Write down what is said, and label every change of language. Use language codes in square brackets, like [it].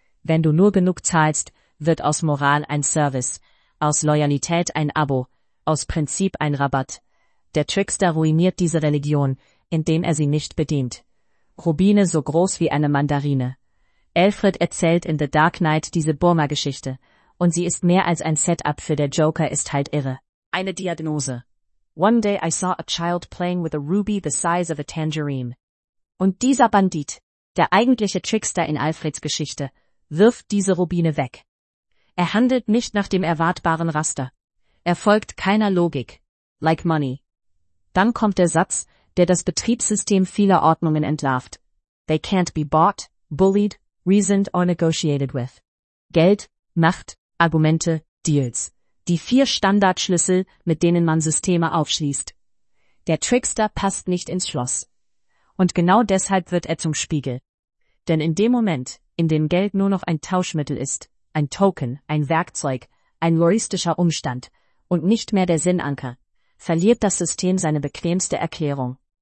[de] Wenn du nur genug zahlst, wird aus Moral ein Service, aus Loyalität ein Abo, aus Prinzip ein Rabatt. Der Trickster ruiniert diese Religion, indem er sie nicht bedient. Rubine so groß wie eine Mandarine. Alfred erzählt in The Dark Knight diese Burma-Geschichte, und sie ist mehr als ein Setup für der Joker ist halt irre. Eine Diagnose. [en] One day I saw a child playing with a ruby the size of a tangerine. [de] Und dieser Bandit, der eigentliche Trickster in Alfreds Geschichte, wirft diese Rubine weg. Er handelt nicht nach dem erwartbaren Raster. Er folgt keiner Logik. [en] Like money. [de] Dann kommt der Satz, der das Betriebssystem vieler Ordnungen entlarvt. [en] They can't be bought, bullied, reasoned or negotiated with. [de] Geld, Macht, Argumente, Deals. Die vier Standardschlüssel, mit denen man Systeme aufschließt. Der Trickster passt nicht ins Schloss. Und genau deshalb wird er zum Spiegel. Denn in dem Moment, in dem Geld nur noch ein Tauschmittel ist, ein Token, ein Werkzeug, ein juristischer Umstand und nicht mehr der Sinnanker, verliert das System seine bequemste Erklärung.